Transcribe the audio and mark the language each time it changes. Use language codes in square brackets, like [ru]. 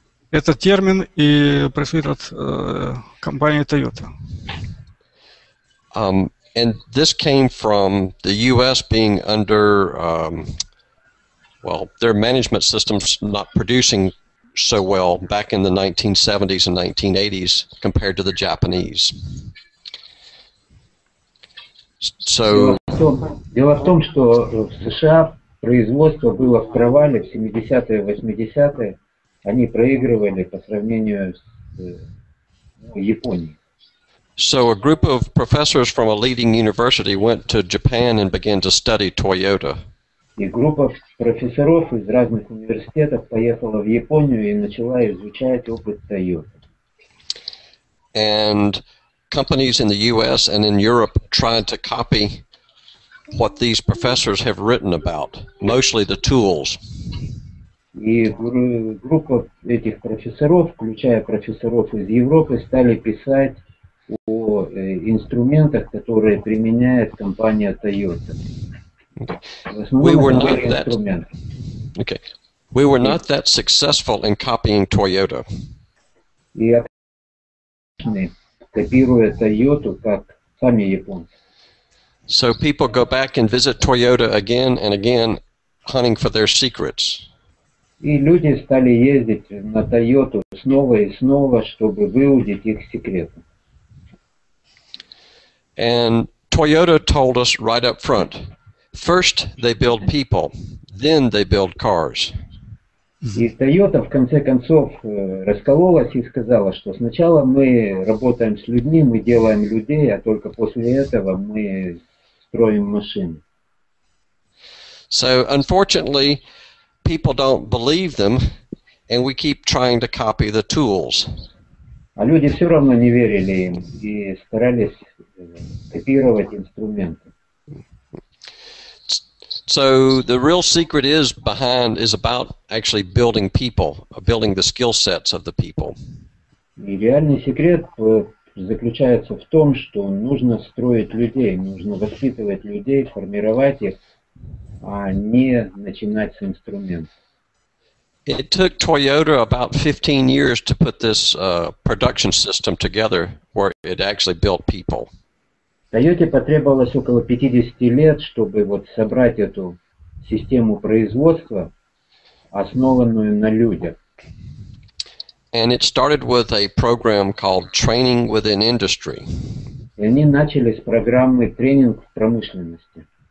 [ru] Это термин и происходит от компании Toyota. [en] And this came from the U.S. being under, their management systems not producing so well back in the 1970s and 1980s compared to the Japanese. So. [ru] Дело в том, что в США производство было в провале в 70-е, 80-е. Они проигрывали по сравнению с Японией. [en] So a group of professors from a leading university went to Japan and began to study Toyota. [ru] И группа профессоров из разных университетов поехала в Японию и начала изучать опыт Toyota. [en] And companies in the US and in Europe tried to copy what these professors have written about, mostly the tools. [ru] И группа этих профессоров, включая профессоров из Европы, стали писать о инструментах, которые применяет компания Toyota. [en] We were not that successful in copying Toyota. [ru] И Японцы копируют Toyota, как сами японцы. [en] So people go back and visit Toyota again and again, hunting for their secrets. [ru] И люди стали ездить на Toyota снова и снова, чтобы выудить их секреты. [en] And Toyota told us right up front, first they build people, then they build cars. [ru] И Toyota в конце концов раскололась и сказала, что сначала мы работаем с людьми, мы делаем людей, а только после этого мы строим машины. [en] So unfortunately, people don't believe them, and we keep trying to copy the tools. [ru] А люди все равно не верили им и старались копировать инструменты. [en] So the real secret is behind is about actually building people, building the skill sets of the people. [ru] Реальный секрет заключается в том, что нужно строить людей, нужно воспитывать людей, формировать их, а не начинать с инструментов. [en] It took Toyota about 15 years to put this production system together where it actually built people. [ru] Toyota потребовалось около 50 лет, чтобы вот собрать эту систему производства, основанную на людях. [en] And it started with a program called Training Within Industry. [ru] И они начали с программы тренинг в промышленности.